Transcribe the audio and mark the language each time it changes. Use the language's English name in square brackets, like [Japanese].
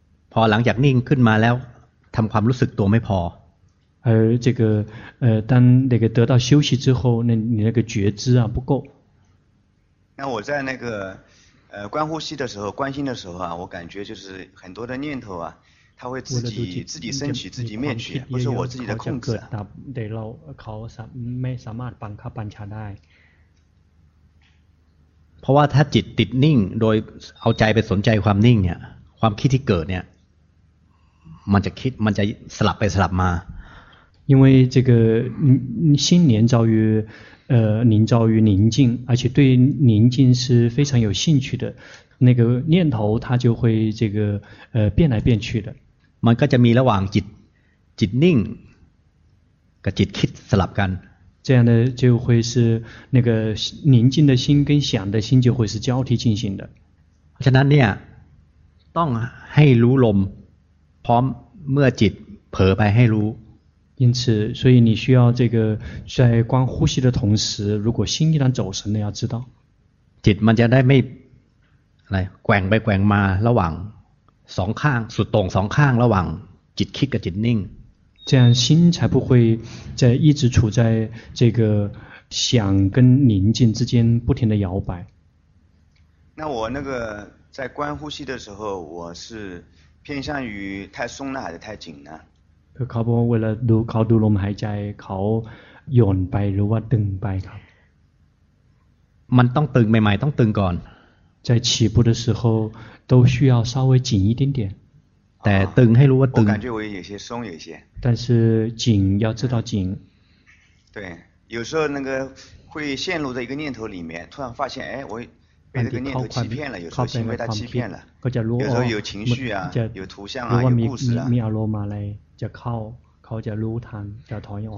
[Thai] พอหลังจากนิ่งขึ้นมาแล้วทำความรู้สึกตัวไม่พอ [Chinese] 而这个当那个得到休息之后那你那个觉知啊不够那我在那个观呼吸的时候观心的时候啊我感觉就是很多的念头啊它会自己升起自己灭去不是我自己的控制啊对 [Thai] เราเขาสามไม่สามารถบังคับบัญชาได้เพราะว่าถ้าจิตติดนิ่งโดยเอาใจไปสนใจความนิ่งเนี่ยความคิดที่เกิดเนี่ยมันจะคิดมันจะสลับไปสลับมา [Chinese] 因为这个心连着于连着于宁静而且对宁静是非常有兴趣的那个念头它就会这个变来变去的 [Thai] มันก็จะมีระหว่างจิตนิ่งกับจิตคิดสลับกัน [Chinese] 这样的就会是那个宁静的心跟想的心就会是交替进行的 [Thai] ฉะนั้นเนี่ยต้องให้รู้ลมพร้อมเมื่อจิตเผลอไปให้รู้ [Chinese] 因此所以你需要这个在观呼吸的同时如果心一旦走神了要知道 [Thai] จิตมันจะได้ไม่อะไรแกว่งไปแกว่งมาระหว่างสองข้างสุดตรงสองข้างระหว่างจิตคิดกับจิตนิ่ง [Chinese] 这样心才不会在一直处在这个想跟宁静之间不停的摇摆那我那个在观呼吸的时候我是偏向于太松了还是太紧呢？ [Thai] เขาบอกว่าดูเขาดูลมหายใจเขาหย่อนไปหรือว่าตึงไปครับ มันต้องตึงใหม่ๆต้องตึงก่อน [Chinese] 在起步的时候都需要稍微紧一点点 [Thai] แต่ตึงให้รู้ว่าตึง [Chinese] 我感觉我有些松有些但是紧要知道紧对有时候那个会陷入在一个念头里面突然发现哎我被那个念头欺骗了，有时候行为他欺骗了，有时候有情绪啊，有图像啊，有故事啊。 [Thai] มีอารมณ์อะไรจะเข้าเขาจะรู้ทันจะถอนออก